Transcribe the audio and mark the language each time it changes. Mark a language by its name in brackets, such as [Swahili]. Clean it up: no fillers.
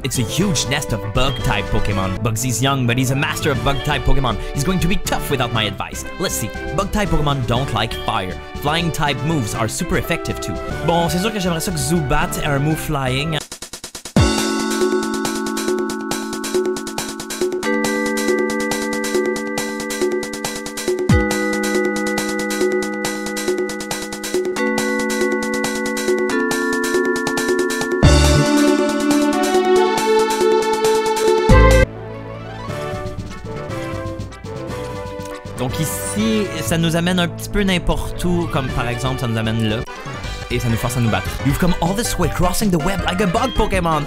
[English] It's a huge nest of bug-type Pokémon. Bugsy's young, but he's a master of bug-type Pokémon. He's going to be tough without my advice. Let's see, bug-type Pokémon don't like fire. Flying-type moves are super effective too. [French] Bon, c'est sûr que j'aimerais ça que Zubat ait un move flying. Donc ici, ça nous amène un petit peu n'importe où, comme par exemple, ça nous amène là, et ça nous force à nous battre. [English] You've come all this way, crossing the web like a bug Pokémon.